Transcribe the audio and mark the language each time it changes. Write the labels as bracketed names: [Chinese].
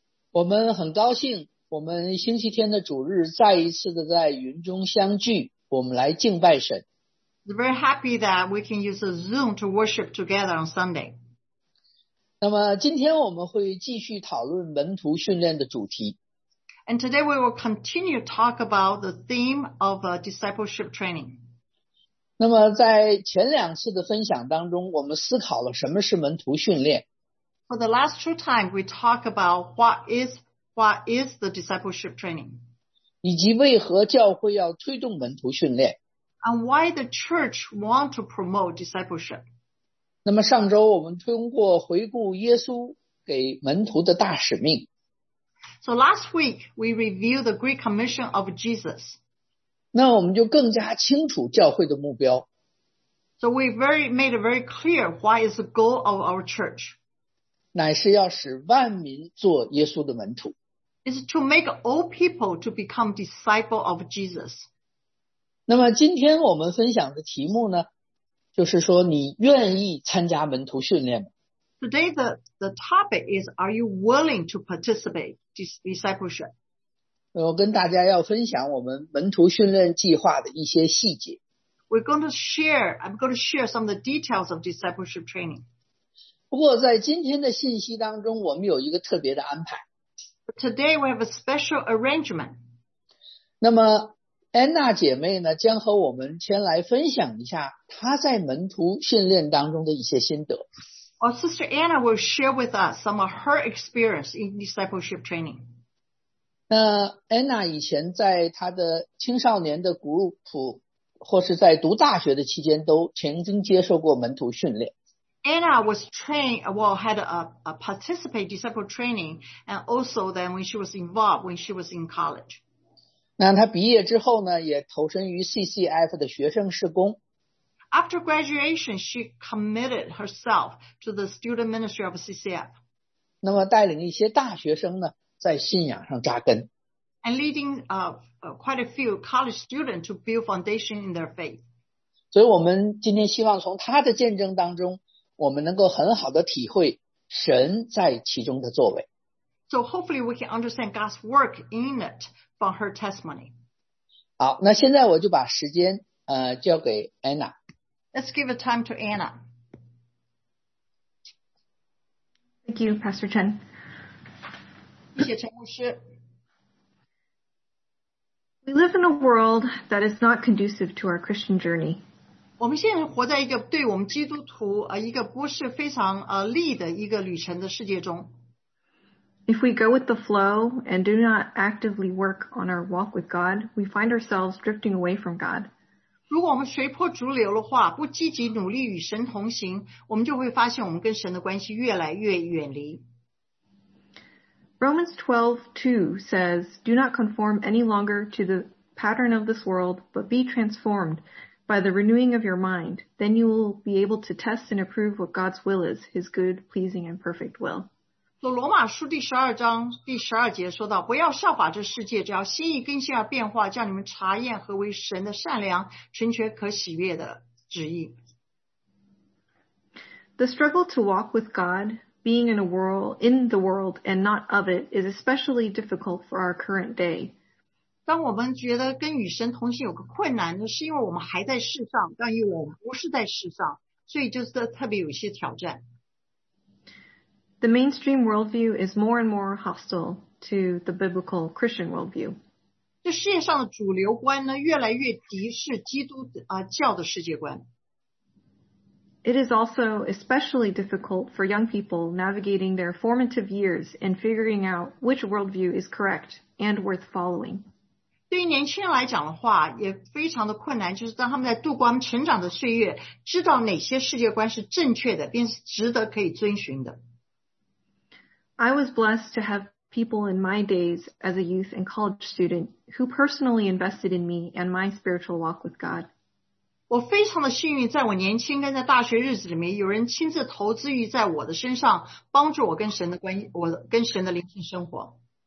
[Chinese] 我们很高兴，我们星期天的主日再一次的在云中相聚，我们来敬拜神。 [English] We're very happy that we can use a Zoom to worship together on Sunday. [Chinese] 那么，今天我们会继续讨论门徒训练的主题。 [English] And today we will continue to talk about the theme of discipleship training. [Chinese] 那么，在前两次的分享当中，我们思考了什么是门徒训练。 [English] For the last two times, we talk about what is the discipleship training, [Chinese] 以及为何教会要推动门徒训练。 [English] And why the church want to promote discipleship. [Chinese] 那么上周我们通过回顾耶稣给门徒的大使命。 [English] So last week, we reviewed the Great Commission of Jesus. [Chinese] 那我们就更加清楚教会的目标。 [English] So we made it very clear why is the goal of our church. [Chinese] 乃是要使万民做耶稣的门徒。 [English] It's to make all people to become disciples of Jesus. [Chinese] 那么今天我们分享的题目呢，就是说你愿意参加门徒训练吗？ [English] Today the topic is, are you willing to participate in discipleship? [Chinese] 我跟大家要分享我们门徒训练计划的一些细节。 [English] I'm going to share some of the details of discipleship training. [Chinese] 不过在今天的信息当中我们有一个特别的安排。 [English] Today we have a special arrangement. [Chinese] 那么安娜姐妹呢将和我们前来分享一下她在门徒训练当中的一些心得。 [English] Our sister Anna will share with us some of her experience in discipleship training. [Chinese] 那安娜以前在她的青少年的 group 或是在读大学的期间都曾经接受过门徒训练。 [English] Anna was trained, well, had a participate disciple training, and also then when she was involved, when she was in college. [Chinese] 那她毕业之后呢，也投身于 CCF 的学生事工。 [English] After graduation, she committed herself to the student ministry of CCF. [Chinese] 那么带领一些大学生呢，在信仰上扎根。 [English] And leading quite a few college students to build foundation in their faith. [Chinese] 所以我们今天希望从她的见证当中我们能够很好的体会神在其中的作为。 [English] So hopefully we can understand God's work in it from her testimony. [Chinese] 好，那现在我就把时间交给 Anna。 [English] Let's give a time to Anna. Thank you, Pastor Chen. [Chinese] 谢谢陈牧师。 [English] We live in a world that is not conducive to our Christian journey. [Chinese] 我们现在活在一个对我们基督徒一个不是非常利的一个旅程的世界中。 [English] If we go with the flow and do not actively work on our walk with God, we find ourselves drifting away from God. [Chinese] 如果我们随波逐流的话，不积极努力与神同行，我们就会发现我们跟神的关系越来越远离。 [English] Romans 12:2 says, "Do not conform any longer to the pattern of this world, but be transformed." By the renewing of your mind, then you will be able to test and approve what God's will is, His good, pleasing, and perfect will. [Chinese] 罗马书第十二章第十二节说到，不要效法这世界，只要心意更新而变化，叫你们查验何为神的善良、纯全、可喜悦的旨意。 [English] The struggle to walk with God, being in the world and not of it, is especially difficult for our current day. [Chinese] 当我们觉得跟与神同行有个困难呢，是因为我们还在世上，但又我们不是在世上，所以就是特别有一些挑战。 [English] The mainstream worldview is more and more hostile to the biblical Christian worldview. [Chinese] 这世界上的主流观呢，越来越敌视基督教的世界观。 [English] It is also especially difficult for young people navigating their formative years and figuring out which worldview is correct and worth following. [Chinese] 对于年轻人来讲的话也非常的困难就是当他们在度过他们成长的岁月知道哪些世界观是正确的并是值得可以遵循的。 [English] I was blessed to have people in my days as a youth and college student who personally invested in me and my spiritual walk with God. [Chinese] 我非常的幸运在我年轻跟在大学日子里面有人亲自投资于在我的身上帮助我跟神的关系我跟神的灵性生活。